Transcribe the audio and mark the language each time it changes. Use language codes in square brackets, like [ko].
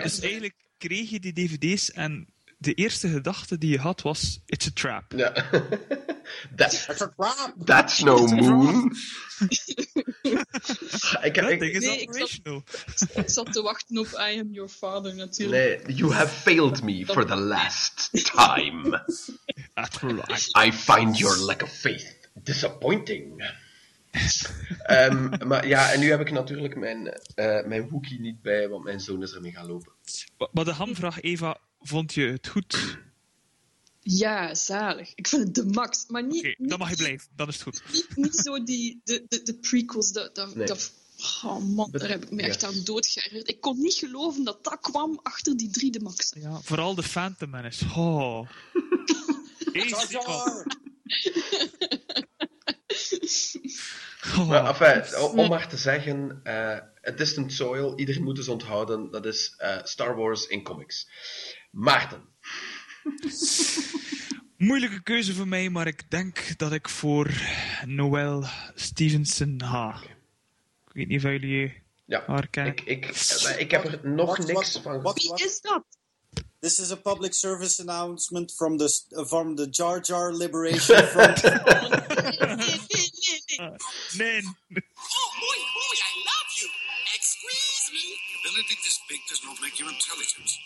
[nl] Dus eigenlijk kreeg je die dvd's en de eerste gedachte die je had was, it's a trap. Ja. [en] That's a trap. That's no moon. [nl] Ik zat te wachten op I am your father natuurlijk. [en] Nee, you have failed me for the last time. I find your lack of faith disappointing. [nl] Maar ja, en nu heb ik natuurlijk mijn hoekie niet bij, want mijn zoon is ermee gaan lopen. Maar de hamvraag, Eva, vond je het goed? Ja, zalig. Ik vind het de max. Maar niet. Okay, dan mag je blijven, dan is het goed. Niet zo de prequels. Oh man, daar heb ik me echt aan doodgeërgerd. Ik kon niet geloven dat dat kwam achter die 3D Max. Ja, vooral de Phantom Menace. Oh. Eens die kwam. Maar, enfin, om maar te zeggen, A Distant Soil, iedereen moet eens onthouden, dat is Star Wars in comics. Maarten. Moeilijke keuze voor mij, maar ik denk dat ik voor Noël Stevenson ga. Okay. Ik weet niet of jullie haar kennen. Ik heb er nog niks van gehoord. Wie is dat? [en] This is a public service announcement from the Jar Jar Liberation Front. [nl] Nee. [en] Oh, boy, I love you. Excuse me. The ability to speak does not make you intelligent.